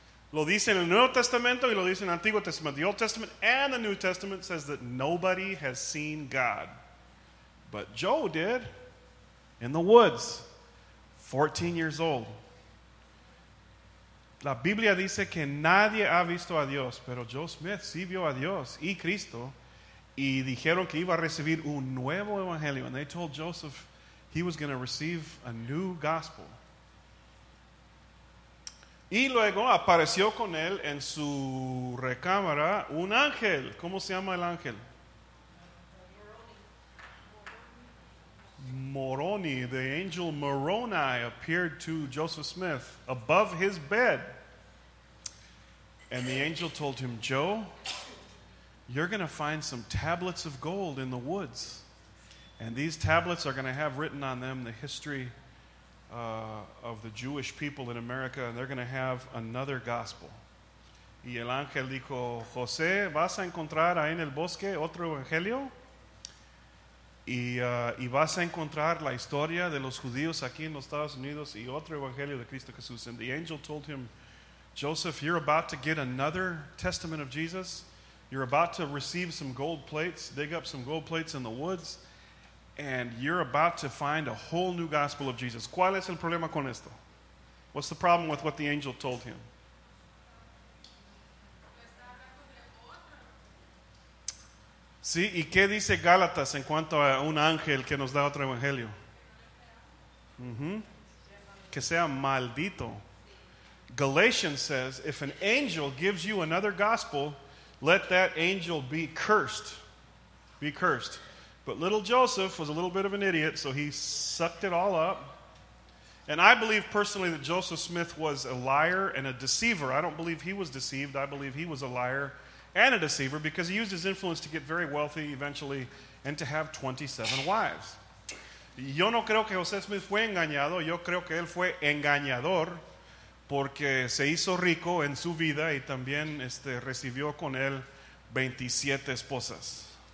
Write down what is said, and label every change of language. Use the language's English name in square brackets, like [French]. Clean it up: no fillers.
[Spanish] Lo dice en el Nuevo Testamento y lo dice en el Antiguo Testamento. [English] The Old Testament and the New Testament says that nobody has seen God. But Joe did, in the woods, 14 years old. [Spanish] La Biblia dice que nadie ha visto a Dios, pero Joe Smith sí vio a Dios y Cristo, y dijeron que iba a recibir un nuevo evangelio. [English] And they told Joseph he was going to receive a new gospel. [Spanish] Y luego apareció con él en su recámara un ángel. ¿Cómo se llama el ángel? Moroni. [English] The angel Moroni appeared to Joseph Smith above his bed. And the angel told him, Joe, you're going to find some tablets of gold in the woods. And these tablets are going to have written on them the history of the Jewish people in America, and they're going to have another gospel. [Spanish] Y el ángel dijo, José, vas a encontrar ahí en el bosque otro evangelio, y vas a encontrar la historia de los judíos aquí en los Estados Unidos y otro evangelio de Cristo Jesús. [English] And the angel told him, Joseph, you're about to get another testament of Jesus. You're about to receive some gold plates, dig up some gold plates in the woods, and you're about to find a whole new gospel of Jesus. [Spanish] ¿Cuál es el problema con esto? [English] What's the problem with what the angel told him? [Spanish] Sí, ¿y qué dice Gálatas en cuanto a un ángel que nos da otro evangelio? Que sea maldito. [English] Galatians says, if an angel gives you another gospel, let that angel be cursed. Be cursed. But little Joseph was a little bit of an idiot, so he sucked it all up. And I believe personally that Joseph Smith was a liar and a deceiver. I don't believe he was deceived. I believe he was a liar and a deceiver, because he used his influence to get very wealthy eventually and to have 27 wives. [Spanish] Yo no creo que José Smith fue engañado. Yo creo que él fue engañador, porque se hizo rico en su vida y también recibió con él 27 esposas.